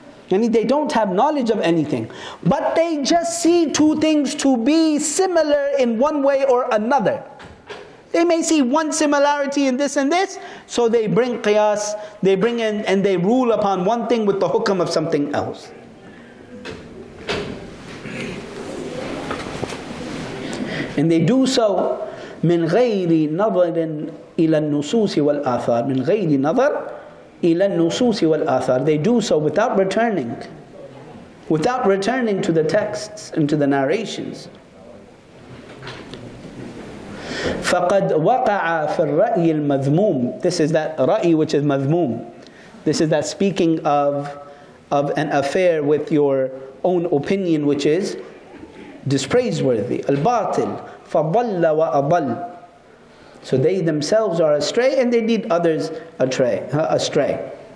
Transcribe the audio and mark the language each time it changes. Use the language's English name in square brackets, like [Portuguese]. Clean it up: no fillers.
[English] Yani they don't have knowledge of anything, but they just see two things to be similar in one way or another. They may see one similarity in this and this, so they bring qiyas, they bring in, and they rule upon one thing with the hukum of something else. And they do so [Arabic] من غير نظر إلى النصوص والآثار. من غير نظر إلى النصوص والآثار. [English] They do so without returning. Without returning to the texts and to the narrations. [Arabic] فقد وقع في الرأي المذموم. [English] This is that رأي which is مذموم. This is that speaking of an affair with your own opinion which is dispraiseworthy. [Arabic] الباطل. فَضَلَّ وَأَضَلَّ. [English] So they themselves are astray and they lead others astray.